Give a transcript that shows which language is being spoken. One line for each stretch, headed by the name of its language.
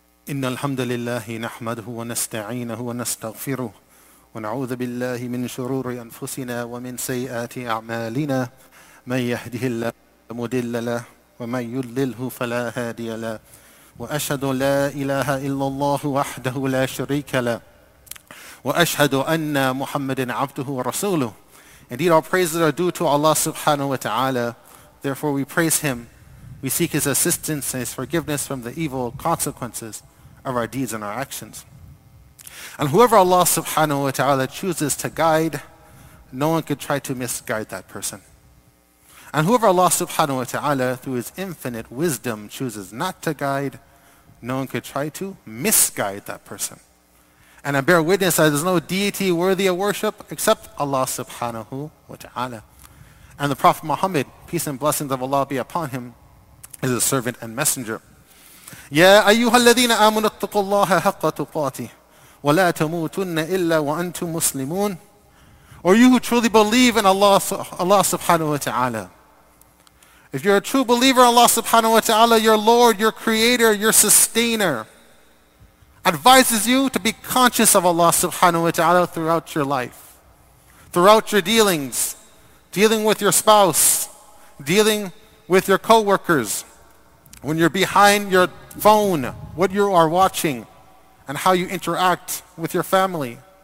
Arabic: إن الحمد لله نحمده ونستعينه ونستغفره ونعوذ بالله من شرور أنفسنا ومن سيئات أعمالنا، من يهده الله فلا مضل له ومن يضلله فلا هادي له، وأشهد لا إله إلا الله وحده لا شريك له، وأشهد أن محمدا عبده ورسوله.
English: Indeed, our praises are due to Allah subhanahu wa ta'ala. Therefore, we praise Him. We seek His assistance and His forgiveness from the evil consequences of our deeds and our actions. And whoever Allah subhanahu wa ta'ala chooses to guide, no one could try to misguide that person. And whoever Allah subhanahu wa ta'ala through His infinite wisdom chooses not to guide, no one could try to misguide that person. And I bear witness that there's no deity worthy of worship except Allah subhanahu wa ta'ala. And the Prophet Muhammad, peace and blessings of Allah be upon him, is a servant and messenger.
Arabic: يا أيها الذين آمنوا اتقوا الله حق تقاته ولا تموتن إلا وأنتم مسلمون.
English: Or you who truly believe in Allah subhanahu wa ta'ala. If you're a true believer in Allah subhanahu wa ta'ala, your Lord, your Creator, your Sustainer, advises you to be conscious of Allah subhanahu wa ta'ala throughout your life, throughout your dealings, dealing with your spouse, dealing with your co-workers, when you're behind your phone, what you are watching, and how you interact with your family.